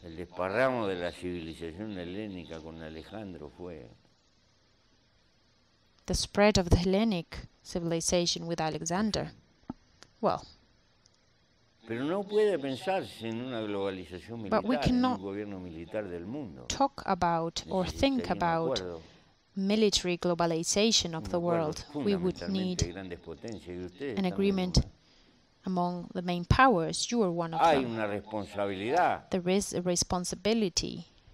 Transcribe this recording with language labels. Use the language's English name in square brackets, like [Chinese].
[Spanish] El desparramo de la civilización helénica con Alejandro fue. [English] The spread of the Hellenic civilization with Alexander. Well. [Spanish] Pero no puede pensarse en una globalización militar, [English] but we cannot [Spanish] en un gobierno militar del mundo. [English] Talk about or think about military globalization of the world. We would need an agreement among the main powers. You are one of [Spanish] Hay [English] them. [Spanish] Una responsabilidad [English] there is a responsibility